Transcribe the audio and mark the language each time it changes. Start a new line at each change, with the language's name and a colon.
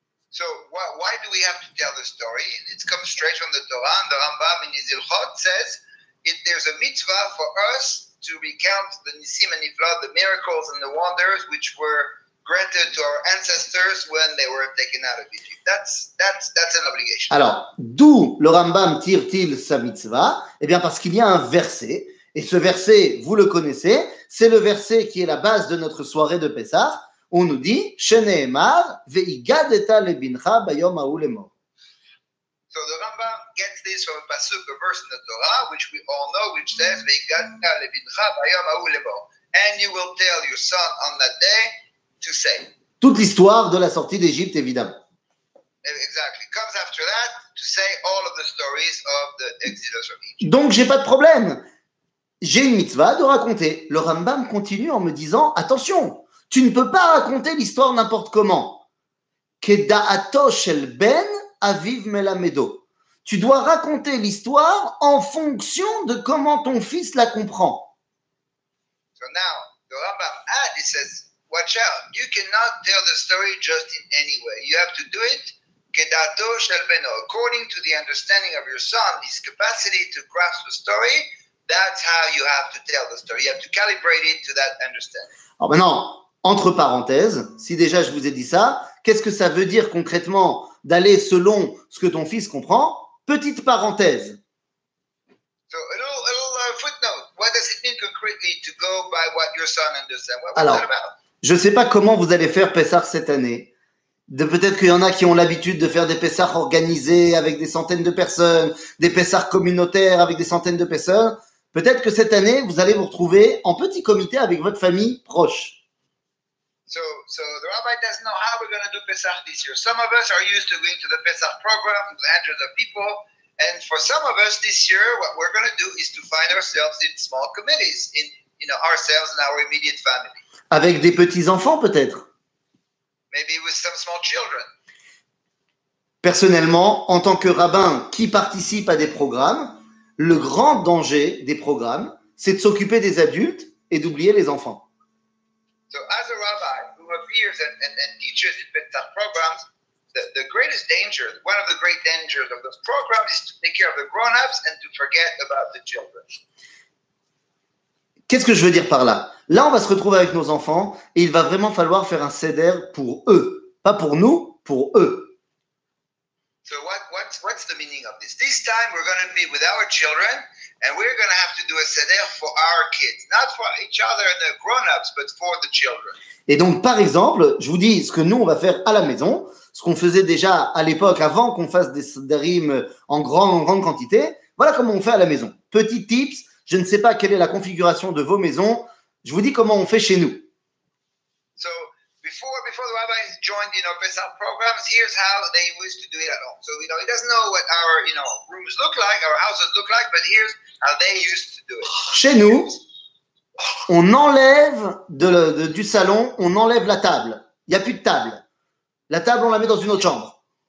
English: So why do we have to tell the story? It comes straight from the Torah, and the Rambam in his Ilchot says, if there's a mitzvah for us to recount the Nisim and Niflaot, the miracles and the wonders which were granted to our ancestors when they were taken out of Egypt. That's an obligation.
French: Alors, d'où le Rambam tire-t-il sa mitzvah? Eh bien, parce qu'il y a un verset, et ce verset, vous le connaissez, c'est le verset qui est la base de notre soirée de Pessah. On nous dit
Hebrew: Sheneemar ve'igadeta lebincha bayom ahu lemor.
English: So the Rambam gets this from a pasuk, a verse in the Torah, which we all know, which says
Hebrew: ve'igadeta lebincha bayom ahu lemor,
English: and you will tell your son on that day to say.
French: Toute l'histoire de la sortie d'Égypte, évidemment.
English: Exactly. Comes after that to say all of the stories of the exodus from Egypt.
French: Donc j'ai pas de problème. J'ai une mitzvah de raconter. Le Rambam continue en me disant attention. Tu ne peux pas raconter l'histoire n'importe comment.
Hebrew: Kedaato shel ben aviv melamedo.
French: Tu dois raconter l'histoire en fonction de comment ton fils la comprend.
English: So now, the Rambam adds, he says, watch out, you cannot tell the story just in any way. You have to do it
Hebrew: kedaato shel ben,
English: according to the understanding of your son, his capacity to grasp the story. That's how you have to tell the story. You have to calibrate it to that understanding.
French: Alors maintenant, entre parenthèses, si déjà je vous ai dit ça, qu'est-ce que ça veut dire concrètement d'aller selon ce que ton fils comprend? Petite parenthèse.
English: So a little footnote. What does it mean concretely to go by what your son understands? What was
French: Alors,
English: that about?
French: Je ne sais pas comment vous allez faire Pessah cette année. De, peut-être qu'il y en a qui ont l'habitude de faire des Pessah organisés avec des centaines de personnes, des Pessah communautaires avec des centaines de personnes. Peut-être que cette année, vous allez vous retrouver en petit comité avec votre famille proche.
English: So the rabbi doesn't know how we're going to do Pesach this year. Some of us are used to going to the Pesach program with hundreds of people. And for some of us this year, what we're going to do is to find ourselves in small committees, in, you know, ourselves and our immediate family.
French: Avec des petits-enfants, peut-être.
English: Maybe with some small children.
French: Personnellement, en tant que rabbin qui participe à des programmes, le grand danger des programmes, c'est de s'occuper des adultes et d'oublier les enfants.
English: So as a rabbi who appears and teaches in Pesach programs, the greatest danger, one of the great dangers of those programs is to take care of the grown-ups and to forget about the children.
French: Qu'est-ce que je veux dire par là? Là, on va se retrouver avec nos enfants et il va vraiment falloir faire un seder pour eux. Pas pour nous, pour eux.
English: So what's the meaning of this? This time, we're going to be with our children. And we're going to have to do a seder for our kids, not for each other and the grown-ups, but for the children.
French: Et donc, par exemple, je vous dis ce que nous, on va faire à la maison, ce qu'on faisait déjà à l'époque, avant qu'on fasse des sederim en grande quantité. Voilà comment on fait à la maison. Petit tips, je ne sais pas quelle est la configuration de vos maisons. Je vous dis comment on fait chez nous.
English: So, before the rabbis joined, you know, Pesach programs, here's how they used to do it at home. So, you know, he doesn't know what our, you know, rooms look like, our houses look like, but here's how they used to do it. Chez nous, on enlève du salon, on enlève la table. Il n'y a plus de table. La table, on la met dans une autre chambre.